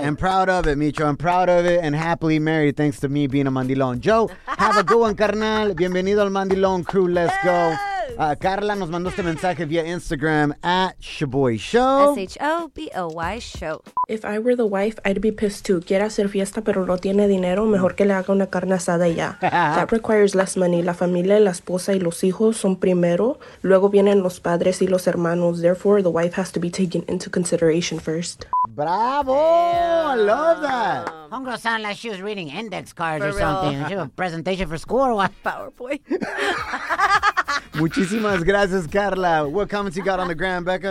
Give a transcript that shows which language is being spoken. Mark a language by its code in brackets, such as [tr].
[en] I'm proud of it, Micho. I'm proud of it and happily married thanks to me being a mandilón. Joe, have a good one, carnal. [es] Bienvenido al mandilón [en] crew. Let's go. [es] Carla nos mandó este mensaje via Instagram at Shaboy Show. [en] S-H-O-B-O-Y Show. If I were the wife, I'd be pissed too. [es] Quiere hacer fiesta, pero no tiene dinero. Mejor que le haga una carne asada ya. [en] That requires less money. [es] La familia, la esposa y los hijos son primero. Luego vienen los padres y los hermanos. [en] Therefore, the wife has to be taken into consideration first. Bravo! Damn. I love that. Homegirl sounded like she was reading index cards for real. Something. She had a presentation for school or what? PowerPoint. [es] Muchísimas gracias, Carla. [en] What comments you got on the gram, Becca?